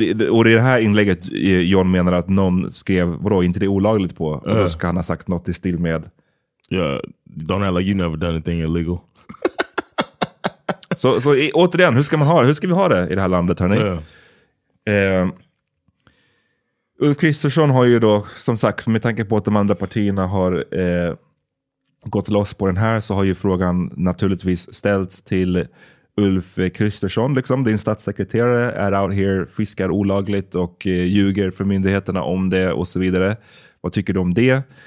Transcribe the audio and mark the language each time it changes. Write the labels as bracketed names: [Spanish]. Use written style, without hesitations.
[Swedish] Och det här inlägget John menar att någon skrev, vadå, inte det olagligt på? Och då ska han ha sagt något i stil med, [English] yeah, don't act like you never done anything illegal. [Swedish] Så återigen, hur ska vi ha det i det här landet, hörni? [English] Yeah. [Swedish] Ulf Kristersson har ju då, som sagt, med tanke på att de andra partierna har gått loss på den här, så har ju frågan naturligtvis ställts till Ulf Kristersson, liksom, din statssekreterare är [English] out here, [Swedish] fiskar olagligt och ljuger för myndigheterna om det och så vidare. Vad tycker du om det?